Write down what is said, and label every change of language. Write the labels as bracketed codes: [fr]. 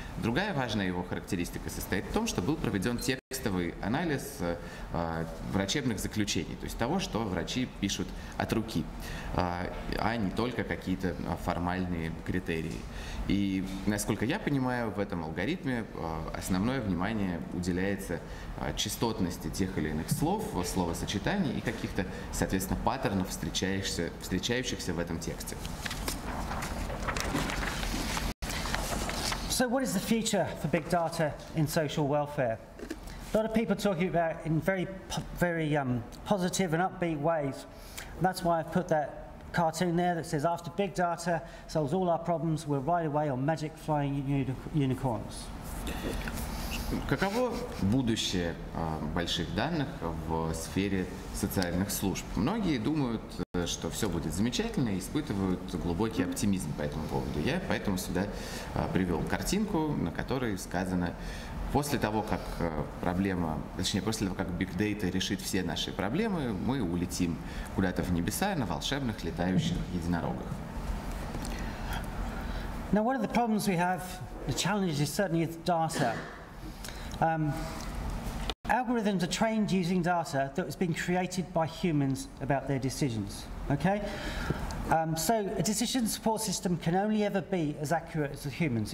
[ru] Другая важная его характеристика состоит в том, что был проведен текстовый анализ врачебных заключений, то есть того, что врачи пишут от руки, а не только какие-то формальные критерии. И, насколько я понимаю, в этом алгоритме основное внимание уделяется частотности тех или иных слов, словосочетаний и каких-то, соответственно, паттернов, встречающихся в этом тексте. [en] So what is the future for big data in social welfare? A lot of people talking about in very, very positive and upbeat ways. And that's why I've put that cartoon there that says, after big data solves all our problems, we're right away on magic flying unicorns. [ru] Каково будущее больших данных в сфере социальных служб? Многие думают, что все будет замечательно, и испытывают глубокий оптимизм по этому поводу. Я поэтому сюда привел картинку, на которой сказано, после того, как Big Data решит все наши проблемы, мы улетим куда-то в небеса на волшебных летающих единорогах. [en] Now, one of the problems we have, the challenges is certainly the data. Algorithms are trained using data that has been created by humans about their decisions. Okay? So a decision support system can only ever be as accurate as the humans.